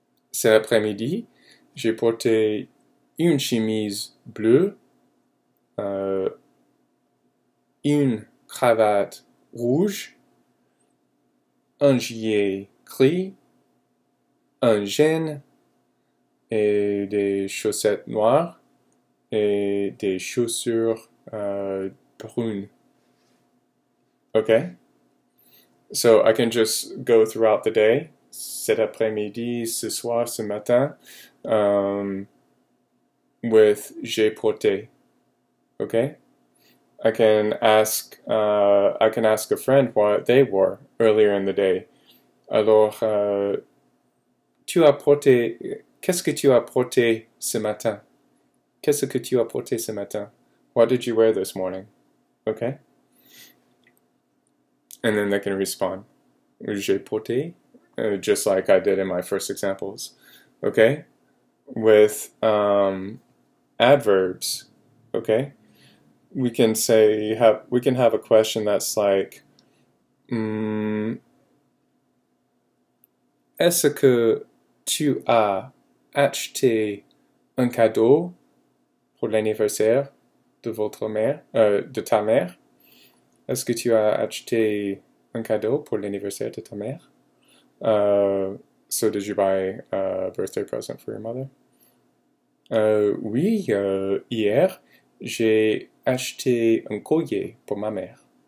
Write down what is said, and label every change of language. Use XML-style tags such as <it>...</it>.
<fr>Cet après-midi, j'ai porté une chemise bleue, une cravate rouge, un gilet gris, un jean et des chaussettes noires et des chaussures brunes.</fr> <en>Okay? So I can just go throughout the day.</en> <fr>Cet après-midi, ce soir, ce matin,</fr> <en>with</en> <fr>j'ai porté.</fr> <en>Okay? I can ask a friend what they wore earlier in the day.</en> <fr>Alors, qu'est-ce que tu as porté ce matin? Qu'est-ce que tu as porté ce matin?</fr> <en>What did you wear this morning? Okay? And then they can respond,</en> <fr>j'ai porté,</fr> <en>just like I did in my first examples. Okay? With adverbs, okay? We can have a question that's like,</en> <fr>est-ce que tu as acheté un cadeau pour l'anniversaire de votre mère, de ta mère? Est-ce que tu as acheté un cadeau pour l'anniversaire de ta mère?</fr> <en>So did you buy a birthday present for your mother?</en> <fr>Oui, hier, j'ai acheté un collier pour ma mère.</fr>